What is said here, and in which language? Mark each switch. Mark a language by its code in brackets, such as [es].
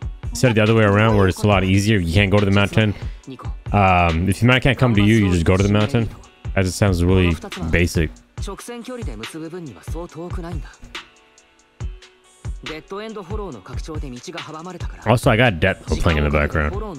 [en] Instead of the other way around, where it's a lot easier. You can't go to the mountain. If the mountain can't come to you, you just go to the mountain. As it sounds really basic. [ja] 直線距離で結ぶ分にはそう遠くないんだ。 [en] Also, I got death playing in the background.